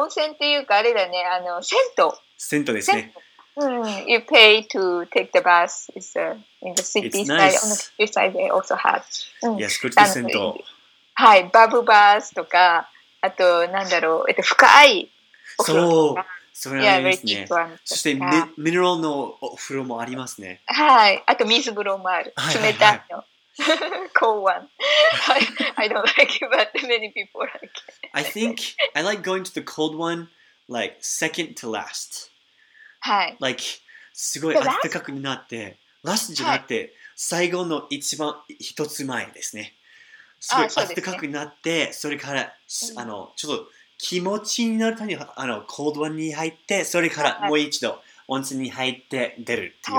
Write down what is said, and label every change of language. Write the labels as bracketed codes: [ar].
[ja] 温泉っていうか、あれだね、銭湯。銭湯ですね。 [en] You pay to take the bus. It's in the city side. On the city side, they also have. Yes, good to see. [ja] はい、バブバスとか、あと、なんだろう、深いお風呂とか。そう、それはいいですね。そして、ミネラルのお風呂もありますね。はい、あと水風呂もある。冷たいの。 [en] Cold one. I don't like it, but many people like it. I think I like going to the cold one, like second to last. [ja] はい、 [en] like, [ja] すごい暖かくなって、ラストじゃなくて、最後の一番一つ前ですね。すごい暖かくなって、それから、ちょっと気持ちになるために、コールドワンに入って、それからもう一度、温泉に入って出るっていう